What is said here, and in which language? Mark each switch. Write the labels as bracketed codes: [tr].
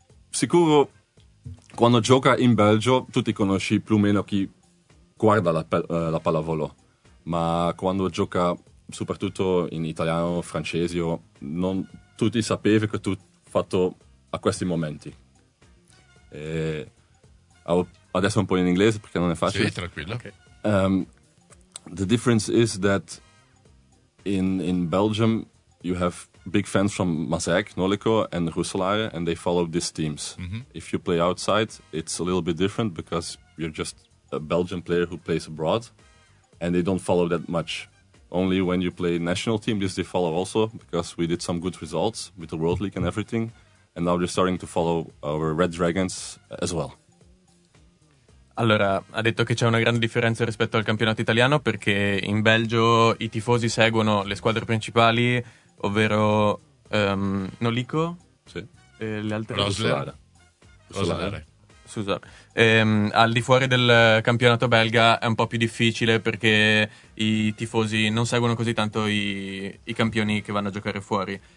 [it] sicuro quando gioca in Belgio tutti conosci più o meno chi guarda la pallavolo, ma quando gioca soprattutto in italiano, francese, non tutti sapevano che tu fatto a questi momenti. E adesso un po' in inglese perché non è facile. Sì, tranquillo. Okay. [en] The difference is that in Belgium you have big fans from Mazek, Noliko and Rousselaere, and they follow these teams. Mm-hmm. If you play outside, it's a little bit different because you're just a Belgian player who plays abroad and they don't follow that much. Only when you play national team, this they follow also, because we did some good results with the World League and everything, and now they're starting to follow our Red Dragons as well. [it] Allora, ha detto che c'è una grande differenza rispetto al campionato italiano, perché in Belgio i tifosi seguono le squadre principali, ovvero Noliko, sì, e le altre... Rousselaere. Al di fuori del campionato belga è un po' più difficile perché i tifosi non seguono così tanto i campioni che vanno a giocare fuori.